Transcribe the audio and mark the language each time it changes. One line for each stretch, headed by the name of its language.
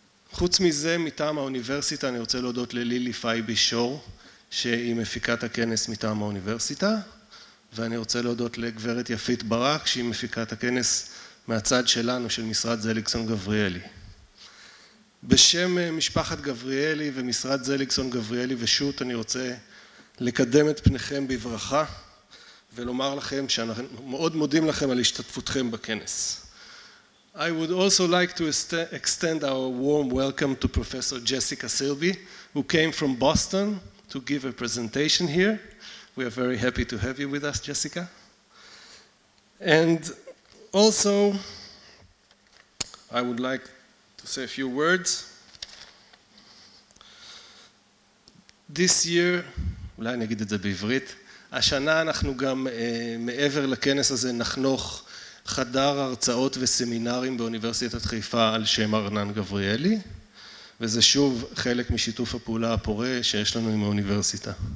Hebrew: חוץ מזה, מטעם האוניברסיטה, אני רוצה להודות ללילי פייבי שור, שהיא מפיקת הכנס מטעם האוניברסיטה, ואני רוצה להודות לגברת יפית ברק, שהיא מפיקת הכנס מהצד שלנו, של משרד זליקסון גבריאלי. בשם משפחת גבריאלי ומשרד זליקסון גבריאלי ושות, אני רוצה לקדם את פניכם בברכה ולומר לכם שאנחנו מאוד מודים לכם על השתתפותכם בכנס.
English: I would also like to extend our warm welcome to Professor Jessica Silby, who came from Boston to give a presentation here. We are very happy to have you with us, Jessica. And also, I would like to say a few words. This year,
Hebrew: אולי אני אגיד את זה בעברית, השנה אנחנו גם מעבר לכנס הזה נחנוך חדר הרצאות וסמינרים באוניברסיטת חיפה על שם ארנן גבריאלי, וזה שוב חלק משיתוף הפעולה הפורה שיש לנו עם האוניברסיטה.